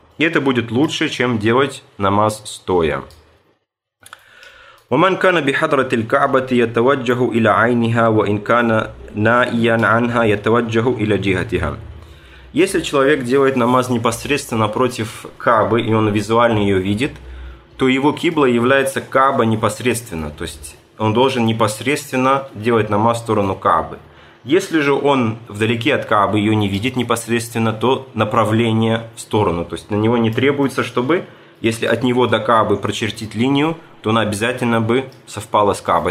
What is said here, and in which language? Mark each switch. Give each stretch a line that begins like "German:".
Russian: И это будет лучше, чем делать намаз стоя.
Arabic: ومن كان بحضرة الكعبة يتوجه إلى عينها وإن كان نائيا عنها يتوجه إلى جهتها.
Russian: Если человек делает намаз непосредственно напротив Каабы и он визуально ее видит, то его кибла является Кааба непосредственно, то есть он должен непосредственно делать намаз в сторону Каабы. Если же он вдалеке от Каабы ее не видит непосредственно, то направление в сторону, то есть на него не требуется, чтобы если от него до Каабы прочертить линию, то она обязательно бы совпала с Каабой.